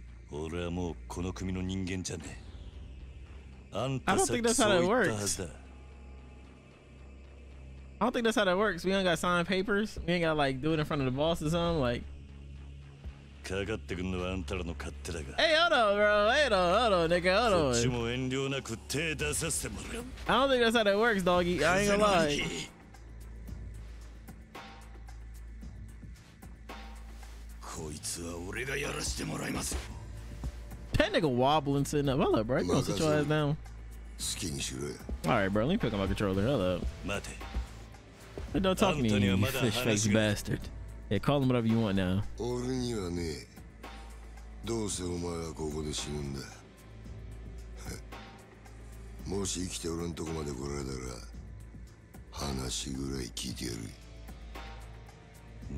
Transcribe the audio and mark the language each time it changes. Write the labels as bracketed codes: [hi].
[ja] 俺はもうこの組の人間じゃねえ。あんたさっきそう言ったはずだ。 [en] I don't think that's how that works. We ain't got signed papers. We ain't got like do it in front of the boss or something. Like, [ja] かかってくんのはあんたらの勝手だが。 [en] Hey, hold on, bro. Hold on, hold on, nigga. Hold on. [ja] こっちも遠慮なく手出させてもらう。 [en] I don't think that's how that works, doggy. I ain't gonna lie. [ja] こいつは俺がやらしてもらいます。 [en] That nigga wobbling sitting up. Hold up, bro. You gonna sit your ass down? [ja] 好きにしろ。 [en] All right, bro. Let me pick up my controller. Hold up. [ja] 待て。 [en] But don't talk to me, you fish face bastard. Yeah, call him whatever you want now. [ja] Or にはね、どうせお前はここで死ぬんだ。もし生きて俺のとこまで来られたら、話ぐらい聞いてやる。